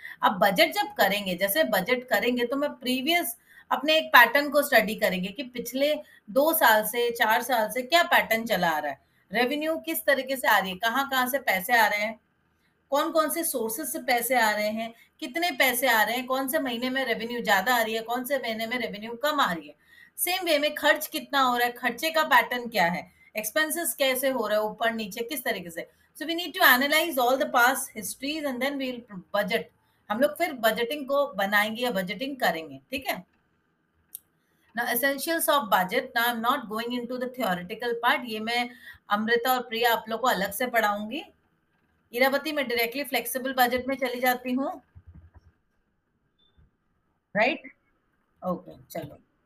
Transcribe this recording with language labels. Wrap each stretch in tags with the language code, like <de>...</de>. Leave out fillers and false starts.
<hi>अब बजट जब करेंगे, जैसे बजट करेंगे तो मैं प्रीवियस अपने एक पैटर्न को स्टडी करेंगे कि पिछले 2 साल से 4 साल से क्या पैटर्न चला आ रहा है, रेवेन्यू किस तरीके से आ रही है, कहाँ कहाँ से पैसे आ रहे हैं, कौन कौन से सोर्सेस से पैसे आ रहे हैं, कितने पैसे आ रहे हैं, कौन से महीने में रेवेन्यू ज्यादा आ रही है, कौन से महीने में रेवेन्यू कम आ रही है. सेम वे में खर्च कितना हो रहा है, खर्चे का पैटर्न क्या है, एक्सपेंसेस कैसे हो रहे हैं, ऊपर नीचे किस तरीके से.</hi> <en>So we need to analyse all the past histories and then we'll budget.</en> <hi>हम लोग फिर बजटिंग को बनाएंगे या बजटिंग करेंगे, ठीक है.</hi> <en>Now, essentials of budget. Now, I'm not going into the theoretical part.</en> <hi>ये मैं अमृता और प्रिया आप लोगों को अलग से पढ़ाऊंगी. इरावती, मैं डायरेक्टली फ्लेक्सिबल बजट में चली जाती हूँ, राइट? ओके, चलो.</hi>